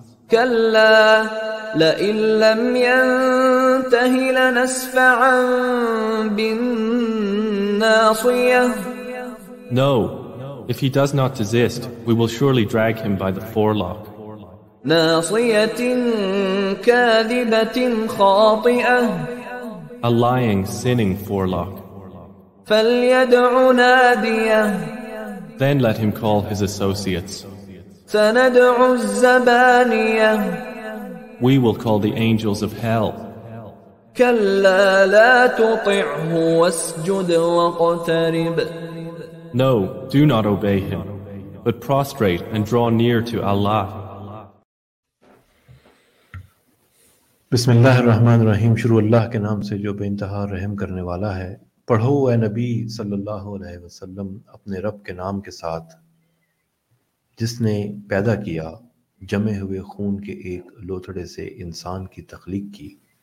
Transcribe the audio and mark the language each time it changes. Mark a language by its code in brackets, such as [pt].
[ar] كلا لئن لم ينتهي لنسفعا بالناصية. [en] No, if he does not desist, we will surely drag him by the forelock. [ar] ناصية كاذبة خاطئة. [en] A lying, sinning forelock. [ar] فليدع ناديا. [en] Then let him call his associates. [ar] سندع الزبانية. [en] We will call the angels of hell. [ar] كلا لا تطعه واسجد واقترب. [en] No, do not obey him, but prostrate and draw near to Allah. [ar] بسم اللہ الرحمن الرحیم. [ur] شروع اللہ کے نام سے جو بے انتہا رحم کرنے والا ہے. پڑھو اے نبی صلی اللہ علیہ وسلم اپنے رب کے نام کے ساتھ جس نے پیدا کیا جمے ہوئے خون کے ایک لوتھڑے سے انسان کی تخلیق کی.